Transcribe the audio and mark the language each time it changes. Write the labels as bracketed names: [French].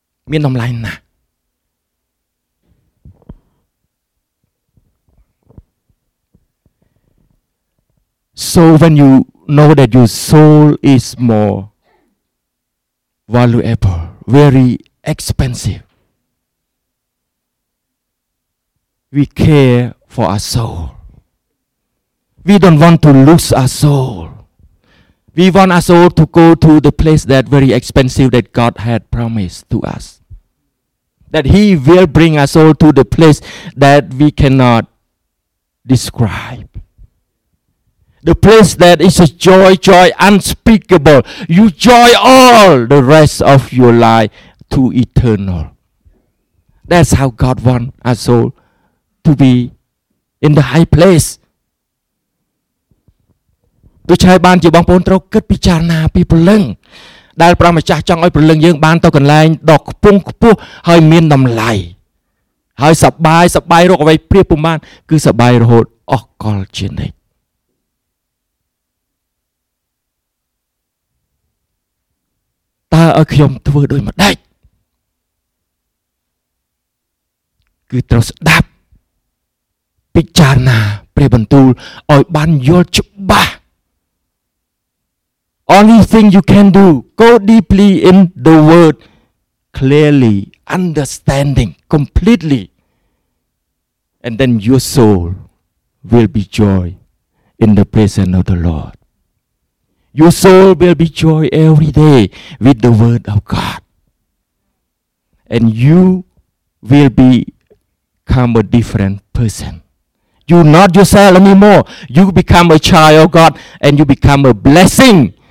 [Khmer] មានតម្លៃណាស់ [English] So when you know that your soul is more valuable, very expensive, we careFor our soul. We don't want to lose our soul. We want our soul to go to the place that very expensive that God had promised to us. That He will bring our soul to the place that we cannot describe. The place that is a joy, joy unspeakable. You joy all the rest of your life to eternal. That's how God want our soul to beIn the high place. [Khmer] ទូឆៃបានជាបងប្អូនត្រូវគិតពិចារណាពីព្រលឹងដែលព្រះម្ចាស់ចង់ឲ្យព្រលឹងយើងបានទៅកន្លែងដ៏ខ្ពង់ខ្ពស់ហើយមានតម្លៃហើយសប្បាយសប្បាយរកអ្វីព្រះពុំបានគឺសប្បាយរហូតអស់កលជានិច្ច តើឲ្យខ្ញុំធ្វើដូចម្តេច គឺត្រូវស្ដាប់ពិចារណាព្រះបន្ទូលឲ្យបានយល់ច្បាស់ [English] Only thing you can do, go deeply in the word, clearly understanding completely, and then your soul will be joy in the presence of the Lord. Your soul will be joy every day with the word of God, and you will become a different person. You're not yourself anymore. You become a child of God and you become a blessing.